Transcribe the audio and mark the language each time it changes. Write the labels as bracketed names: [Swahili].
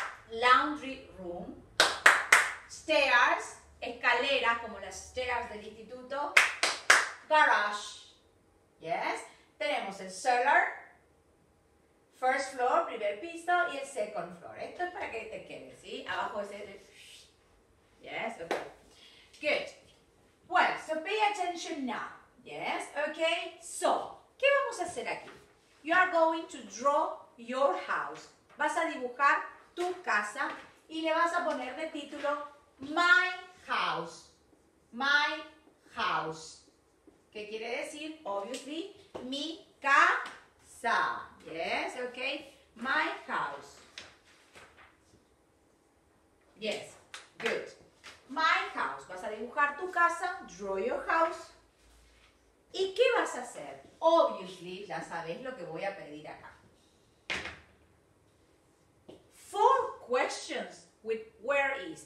[English] Laundry room. Stairs, [Spanish] escaleras, como las stairs del instituto. [English] Garage, ¿yes? [Spanish] Tenemos el [English] cellar, first floor, [Spanish] primer piso, y el [English] second floor. [Spanish] Esto es para que te quede, ¿sí? Abajo es el... [English] ¿Yes? Ok. Good. Well, so pay attention now. Yes, okay. [Spanish] So, ¿qué vamos a hacer aquí? [English] You are going to draw your house. [Spanish] Vas a dibujar tu casa y le vas a poner de título My House. My House. ¿Qué quiere decir? [English] Obviously, [Spanish] mi casa. [English] Yes, okay. My House. Yes, good. My House. [Spanish] Vas a dibujar tu casa. [English] Draw your house. [Spanish] ¿Y qué vas a hacer? Obviously, ya sabes lo que voy a pedir acá. [English] 4 questions with where is.